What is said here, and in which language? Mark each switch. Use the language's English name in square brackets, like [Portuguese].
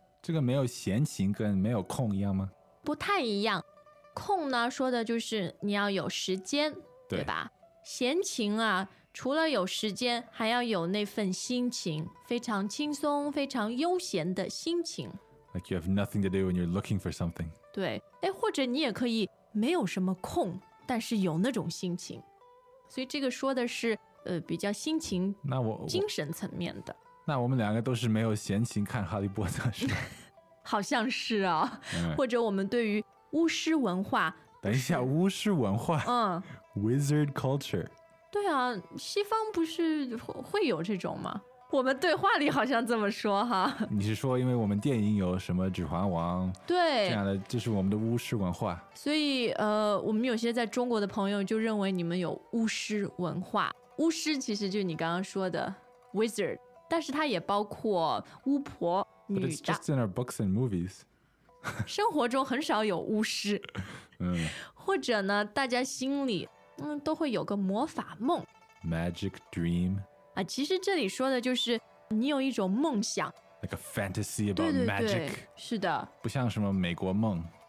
[Chinese] 这个没有闲情跟没有空一样吗？不太一样。空呢说的就是你要有时间对吧？闲情啊，除了有时间，还要有那份心情，非常轻松，非常悠闲的心情。 [English] Like you have nothing to do when you're looking for something. [Chinese] 对，哎，或者你也可以没有什么空，但是有那种心情。所以这个说的是，比较心情，那我精神层面的。那我们两个都是没有闲情看哈利波特，是吧？好像是啊，嗯，或者我们对于巫师文化，等一下，巫师文化，嗯 [English] ，wizard culture， [Chinese] 对啊，西方不是会有这种吗？我们对话里好像这么说哈。你是说因为我们电影有什么《指环王》 对这样的，就是我们的巫师文化。所以我们有些在中国的朋友就认为你们有巫师文化，巫师其实就是你刚刚说的 wizard， 但是它也包括巫婆。 [English] But it's just in our books and movies. [Chinese] 生活中很少有巫师，或者呢，大家心里都会有个魔法梦 [English] ，magic dream [Chinese] 啊。其实这里说的就是你有一种梦想 [English] ，like a fantasy about magic. [Chinese] 是的，不像什么美国梦，